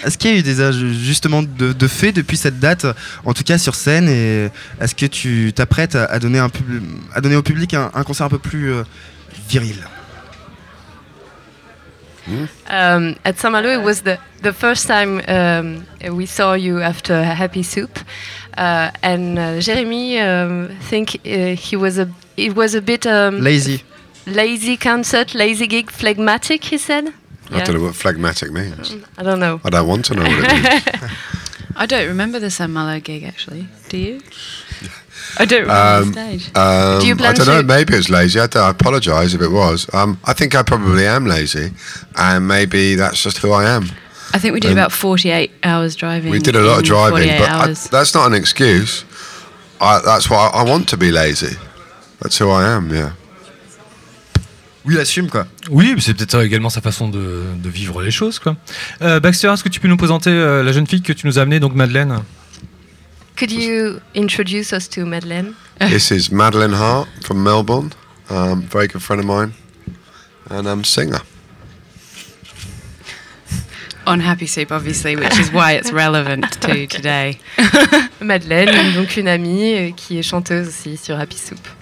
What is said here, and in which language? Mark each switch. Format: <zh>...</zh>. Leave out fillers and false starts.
<fr>Est-ce qu'il y a eu des ajustements de fait depuis cette date, en tout cas sur scène, et est-ce que tu t'apprêtes à donner au public un concert un peu plus viril?</fr> <en>At Saint-Malo, it was the first time we saw you after Happy Soup, and Jeremy think it was a bit lazy. Lazy concert, lazy gig, phlegmatic, he said. I don't know what phlegmatic means. I don't know. I don't want to know what it means. I don't remember the Saint-Malo gig, actually. Do you? I don't remember the stage. Do you plan I don't to? Know, maybe it's lazy. I apologise if it was. I think I probably am lazy, and maybe that's just who I am. I think we did about 48 hours driving. We did a lot of driving, but that's not an excuse. That's why I want to be lazy. That's who I am, yeah.</en> <fr>Oui, il assume, quoi. Oui, c'est peut-être également sa façon de vivre les choses, quoi. Baxter, est-ce que tu peux nous présenter la jeune fille que tu nous as amenée, donc Madeleine?</fr> <en>Could you introduce us to Madeleine? This is Madeleine Hart from Melbourne, very good friend of mine, and I'm singer. On Happy Soup, obviously, which is why it's relevant to today.</en> <fr>Madeleine, donc une amie qui est chanteuse aussi sur Happy Soup.</fr>